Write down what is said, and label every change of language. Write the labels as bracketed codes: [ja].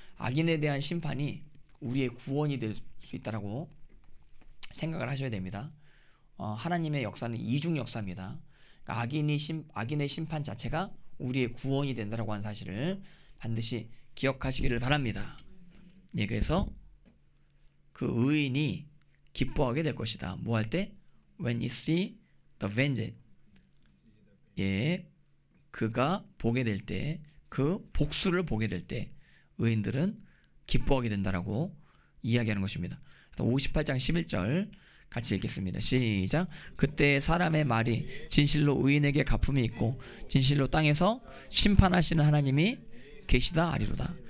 [ko] 악인에 대한 심판이 우리의 구원이 될 수 있다라고 생각을 하셔야 됩니다. 하나님의 역사는 이중 역사입니다. 악인의 심판 자체가 우리의 구원이 된다라고 하는 사실을 반드시 기억하시기를 바랍니다. 예, 그래서 그 의인이 기뻐하게 될 것이다. 뭐 할 때? [en] When he see the vengeance. [ko] 예, 그가 보게 될 때, 그 복수를 보게 될 때 의인들은 기뻐하게 된다라고 이야기하는 것입니다. 58장 11절 같이 읽겠습니다. 시작. 그때 사람의 말이 진실로 의인에게 갚음이 있고 진실로 땅에서 심판하시는 하나님이 계시다 아리로다.